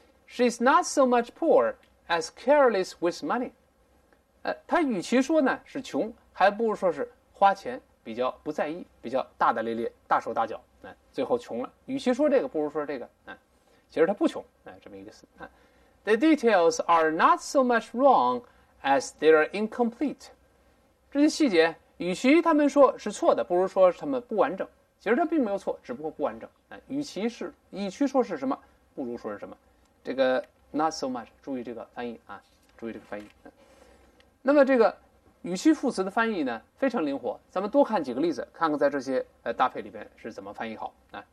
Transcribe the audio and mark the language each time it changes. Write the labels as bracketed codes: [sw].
[en] She's not so much poor as careless with money。 [zh] 她与其说呢是穷，还不如说是花钱比较不在意，比较大大咧咧、大手大脚。最后穷了。与其说这个，不如说这个。其实她不穷。这么一个意思。 [en] The details are not so much wrong as they are incomplete。 [zh] 这些细节，与其他们说是错的，不如说是他们不完整。其实他并没有错，只不过不完整。与其说是什么，不如说是什么。这个 [en] not so much， [zh] 注意这个翻译啊，注意这个翻译。那么这个语气副词的翻译呢，非常灵活。咱们多看几个例子，看看在这些搭配里边是怎么翻译好啊。